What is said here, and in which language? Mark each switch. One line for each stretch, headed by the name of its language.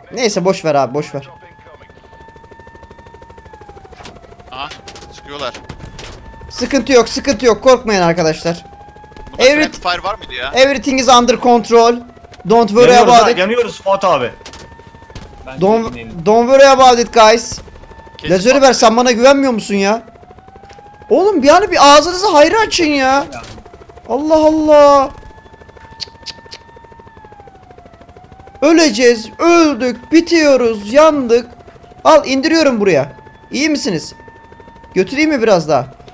Turkish: Neyse boş ver abi boş ver. Aha çıkıyorlar. Sıkıntı yok sıkıntı yok. Korkmayın arkadaşlar. Fire var mıydı ya?
English: Everything is under control. Don't worry about it.
Turkish: Yanıyoruz Fuat abi.
English: Don't worry about it guys.
Turkish: Lazeri ver sen bana güvenmiyor musun ya? Oğlum bir yani bir ağzınızı hayra açın ya. Allah Allah. Öleceğiz, öldük, bitiyoruz, yandık. Al indiriyorum buraya. İyi misiniz? Götüreyim mi biraz daha?